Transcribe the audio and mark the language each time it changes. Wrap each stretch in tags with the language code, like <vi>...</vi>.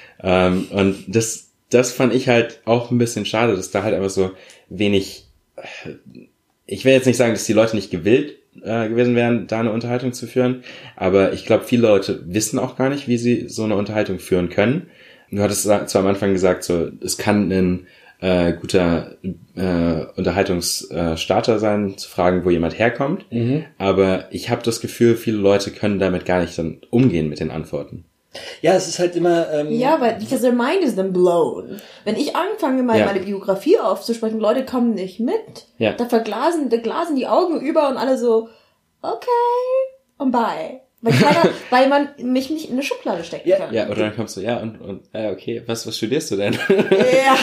<de>Und das fand ich halt auch ein bisschen schade, dass da halt einfach so wenig, ich will jetzt nicht sagen, dass die Leute nicht gewillt gewesen wären, da eine Unterhaltung zu führen, aber ich glaube, viele Leute wissen auch gar nicht, wie sie so eine Unterhaltung führen können. Du hattest zwar am Anfang gesagt, so, es kann ein guter Unterhaltungsstarter sein, zu fragen, wo jemand herkommt, mhm. aber ich habe das Gefühl, viele Leute können damit gar nicht dann umgehen mit den Antworten. Ja, es ist halt immer... Ja, weil</de> <en>because their mind is then blown.</en> <de>Wenn ich anfange, meine Biografie aufzusprechen, Leute kommen nicht mit, da verglasen die Augen über und alle so, okay, und bye. Weil man mich nicht in eine Schublade stecken kann. Ja, oder dann kommst du, okay, was studierst du denn? Ja.</de>